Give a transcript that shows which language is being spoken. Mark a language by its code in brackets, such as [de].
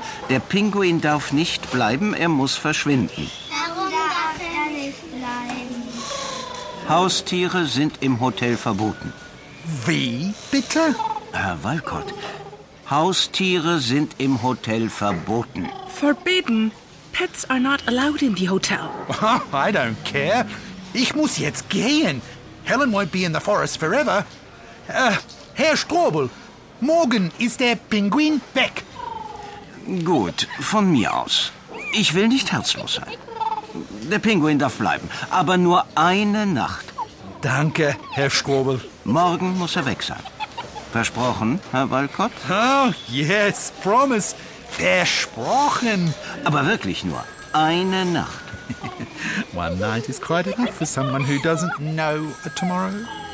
[de] Der Pinguin darf nicht bleiben, er muss verschwinden. Warum darf er nicht bleiben? Haustiere sind im Hotel verboten. Wie, bitte? Herr Walcott, Haustiere sind im Hotel verboten. [en] Forbidden? Pets are not allowed in the hotel. Oh, I don't care. [de] Ich muss jetzt gehen. [en] Helen won't be in the forest forever. [de] Herr Strobel, morgen ist der Pinguin weg. Gut, von mir aus. Ich will nicht herzlos sein. Der Pinguin darf bleiben, aber nur eine Nacht. Danke, Herr Strobel. Morgen muss er weg sein. Versprochen, Herr Walcott? [en] Oh, yes, promise. [de] Versprochen. Aber wirklich nur eine Nacht. [en] One night is quite enough for someone who doesn't know a tomorrow.